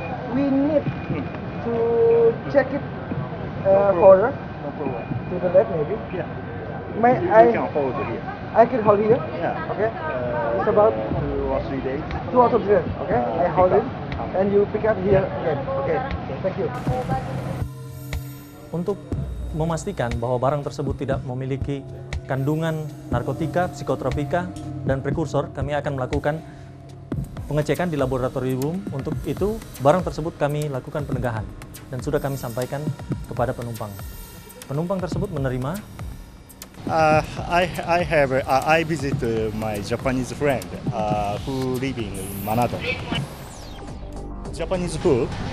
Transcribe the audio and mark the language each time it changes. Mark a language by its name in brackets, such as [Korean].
[English] We need to check it for to the left maybe. Yeah. May you, I can hold it here. I can hold here. Yeah. Okay. It's about 2 or 3 days. 2 or 3 days. Okay. I hold it up. And you pick up here again. Okay. Thank you. [Indonesian] Untuk memastikan bahwa barang tersebut tidak memiliki kandungan narkotika, psikotropika, dan prekursor, kami akan melakukan pengecekan di laboratorium. Untuk itu, barang tersebut kami lakukan penegahan dan sudah kami sampaikan kepada penumpang. Penumpang tersebut menerima. [English] I visit my Japanese friend who living in Manado. Japanese food